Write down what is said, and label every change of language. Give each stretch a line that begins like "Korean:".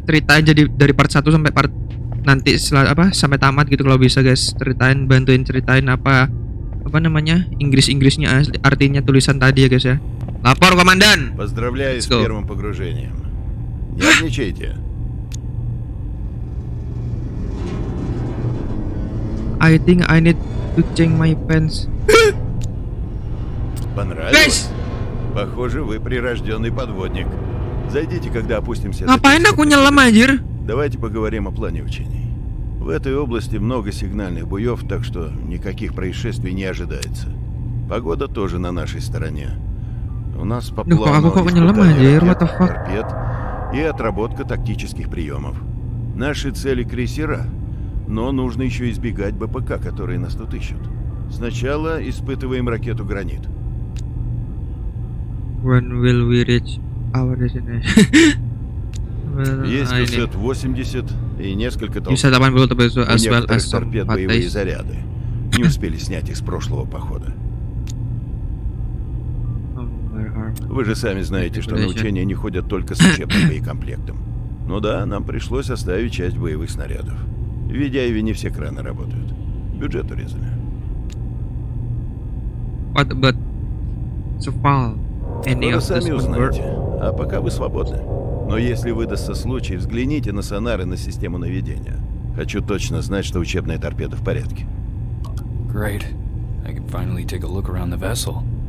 Indonesian: Ceritain jadi dari part 1 sampai part nanti sampai tamat gitu kalau bisa guys, ceritain apa namanya Inggris-Inggrisnya artinya tulisan tadi ya guys ya. Lapor komandan.
Russian: Поздравляю с первым погружением. Не отвлекайте.
English: I think I need to change my pants.
Russian: Понравилось? Похоже, вы прирожденный подводник. Зайдите, когда опустимся.
Indonesian: Ngapain aku nyelam anjir?
Russian: Давайте поговорим о плане учений. В этой области много сигнальных буев, так что никаких происшествий не ожидается. Погода тоже на нашей стороне. У нас по плану торпед и отработка тактических приемов. Наши цели крейсера, но нужно еще избегать БПК, которые нас тут ищут. Сначала испытываем ракету «Гранит».
English: When will we reach our destination?
Russian: Есть USAT 80 и несколько толпов. У некоторых торпед боевые заряды. Не успели снять их с прошлого похода. Вы же сами знаете, что на учения не ходят только с учебным боекомплектом. Ну да, нам пришлось оставить часть боевых снарядов. В Ведяеве не все краны работают. Бюджет урезали.
English: What about Cepal?
Russian: Вы сами узнаете. А пока вы свободны. Но если выдастся случай, взгляните на сонар и на систему наведения. Хочу точно знать, что учебная торпеда в порядке.
English: Great. I can finally take a look around the vessel.